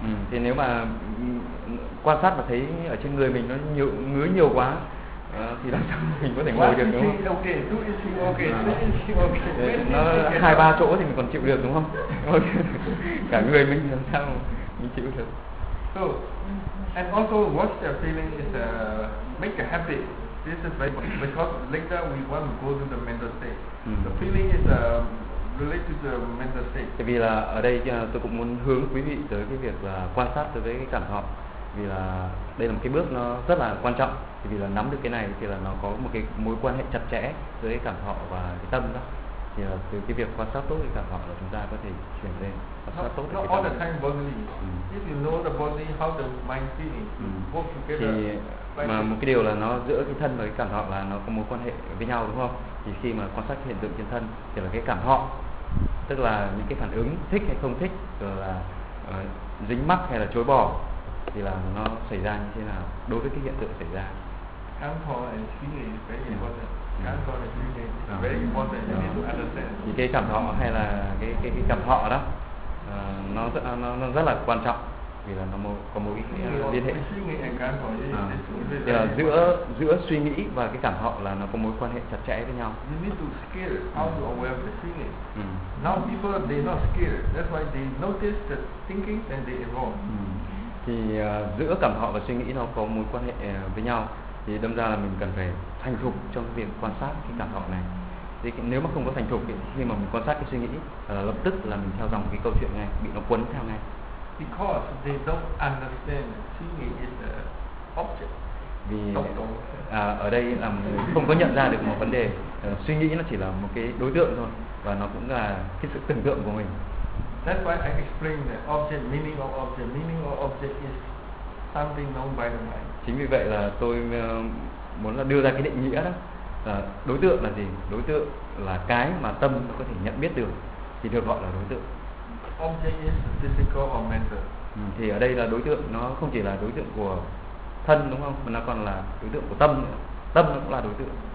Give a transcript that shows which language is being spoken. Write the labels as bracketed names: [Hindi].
[Vietnamese] Thì nếu mà quan sát mà thấy ở trên người mình nó nhiều, ngứa nhiều quá thì làm sao mình có thể ngồi được, đúng không? Nó hai ba chỗ thì mình còn chịu được, đúng không? Cả người mình làm sao mình chịu được. [English] So and also what's the feeling is make a habit. This is very important because later we want to go to the mental state. The feeling is related to the mental state. [Vietnamese] Tại vì là ở đây tôi cũng muốn hướng quý vị tới cái việc là quan sát đối với cái cảm thọ, vì là đây là một cái bước nó rất là quan trọng. Tại vì là nắm được cái này thì là nó có một cái mối quan hệ chặt chẽ với cảm thọ và cái tâm đó. Thì là từ cái việc quan sát tốt cái cảm thọ là chúng ta có thể chuyển lên quan sát tốt [English] cái all the time bodily. If you know the body, how the mind feeling work together. [Vietnamese] Thì mà một cái điều là nó giữa cái thân và cái cảm thọ là nó có mối quan hệ với nhau, đúng không? Thì khi mà quan sát hiện tượng trên thân thì là cái cảm thọ, tức là những cái phản ứng thích hay không thích, rồi là dính mắc hay là chối bỏ, thì là nó xảy ra như thế nào đối với cái hiện tượng xảy ra. Cảm thọ là [English] very important. [Vietnamese] Thì cái cảm thọ hay là cái cảm thọ đó nó rất là quan trọng, vì là nó có mối liên hệ. Thì là giữa suy nghĩ và cái cảm thọ là nó có mối quan hệ chặt chẽ với nhau. [English] You need to skill how to aware of the feeling. Now people they not skill, that's why they notice the thinking and they evolve. [Vietnamese] Thì giữa cảm thọ và suy nghĩ nó có mối quan hệ với nhau, thì đâm ra là mình cần phải thành thục trong việc quan sát cái cảm thọ này. Thì nếu mà không có thành thục khi mà mình quan sát cái suy nghĩ, lập tức là mình theo dòng cái câu chuyện ngay, bị nó cuốn theo ngay. [English] Because they don't understand seeing is an object. [Vietnamese] Vì ở đây là không có nhận ra được một vấn đề, suy nghĩ nó chỉ là một cái đối tượng thôi, và nó cũng là cái sự tưởng tượng của mình. [English] That's why I explain the object, meaning of object. Meaning of object is something known by the mind. [Vietnamese] Chính vì vậy là tôi muốn là đưa ra cái định nghĩa đó. Đối tượng là gì? Đối tượng là cái mà tâm nó có thể nhận biết được, thì được gọi là đối tượng. [English] Object is physical or mental. [Vietnamese] Thì ở đây là đối tượng nó không chỉ là đối tượng của thân, đúng không? Mà nó còn là đối tượng của tâm nữa. Tâm nó cũng là đối tượng.